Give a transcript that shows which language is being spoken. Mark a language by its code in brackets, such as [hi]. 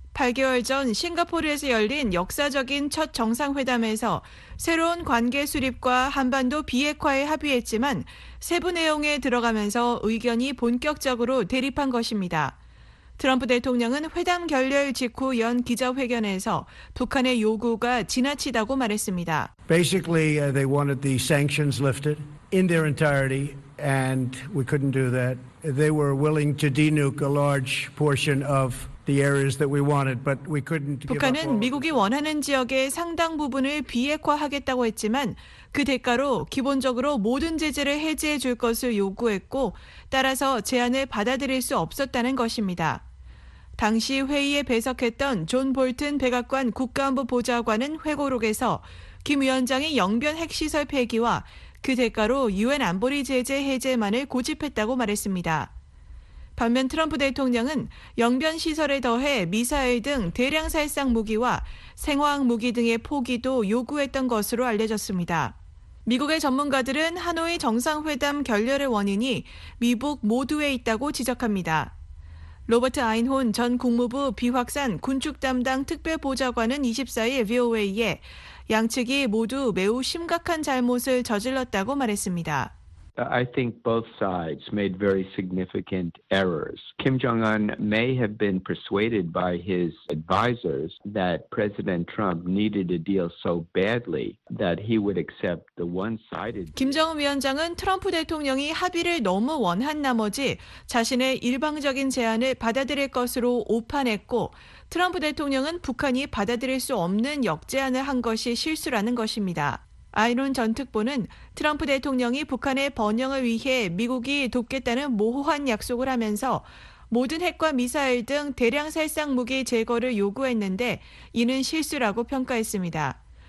[ko] 8개월 전 싱가포르에서 열린 역사적인 첫 정상회담에서 새로운 관계 수립과 한반도 비핵화에 합의했지만 세부 내용에 들어가면서 의견이 본격적으로 대립한 것입니다. 트럼프 대통령은 회담 결렬 직후 연 기자회견에서 북한의 요구가 지나치다고 말했습니다. [en] Basically, they wanted the sanctions lifted in their entirety, and we couldn't do that. They were willing to denuke a large portion of the areas that we wanted, but we couldn't give up all of them. [ko] 북한은 미국이 원하는 지역의 상당 부분을 비핵화하겠다고 했지만 그 대가로 기본적으로 모든 제재를 해제해 줄 것을 요구했고, 따라서 제안을 받아들일 수 없었다는 것입니다. 당시 회의에 배석했던 존 볼튼 백악관 국가안보 보좌관은 회고록에서 김 위원장이 영변 핵시설 폐기와 그 대가로 유엔 안보리 제재 해제만을 고집했다고 말했습니다. 반면 트럼프 대통령은 영변 시설에 더해 미사일 등 대량 살상 무기와 생화학 무기 등의 포기도 요구했던 것으로 알려졌습니다. 미국의 전문가들은 하노이 정상회담 결렬의 원인이 미북 모두에 있다고 지적합니다. 로버트 아인혼 전 국무부 비확산 군축 담당 특별보좌관은 24일 VOA에 양측이 모두 매우 심각한 잘못을 저질렀다고 말했습니다. [en] I think both sides made very significant errors. Kim Jong-un may have been persuaded by his advisors that President Trump needed a deal so badly that he would accept the one-sided. [ko] 김정은 위원장은 트럼프 대통령이 합의를 너무 원한 나머지 자신의 일방적인 제안을 받아들일 것으로 오판했고, 트럼프 대통령은 북한이 받아들일 수 없는 역제안을 한 것이 실수라는 것입니다. 아이론 전 특보는 트럼프 대통령이 북한의 번영을 위해 미국이 돕겠다는 모호한 약속을 하면서 모든 핵과 미사일 등 대량 살상 무기 제거를 요구했는데 이는 실수라고 평가했습니다.